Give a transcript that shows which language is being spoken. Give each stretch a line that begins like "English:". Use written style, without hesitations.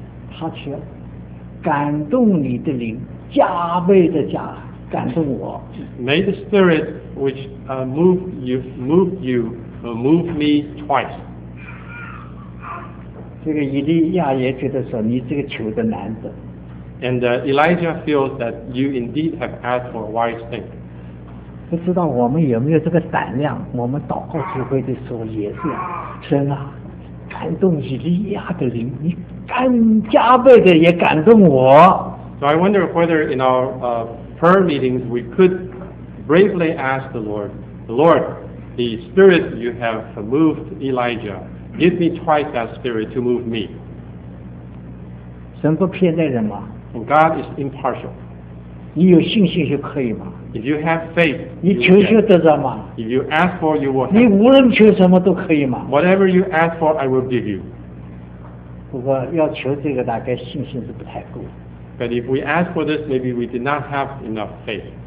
Chinese: 他说，感动你的灵，加倍的加，感动我。
English: May the spirit which move me twice.
Chinese: 这个以利亚也觉得说，你这个求的难得。
English: And Elijah feels that you indeed have asked for a wise thing.
Chinese: 不知道我们有没有这个胆量，我们祷告聚会的时候也是，神啊，感动以利亚的灵，你干加倍的也感动我。
English: So I wonder whether in our prayer meetings we could bravely ask the Lord, Lord, the Spirit you have moved Elijah, give me twice that Spirit to move me.
Chinese: 神不偏待人吗
English: ？And God is impartial.
Chinese: 你有信心就可以吗？
English: If you have faith,
Chinese: 你求求得着吗
English: ？If you ask for, you will.
Chinese: 你无论求什么都可以吗
English: ？Whatever you ask for, I will give you.
Chinese: 不过要求这个大概信心是不太够。
English: But if we ask for this, maybe we did not have enough faith.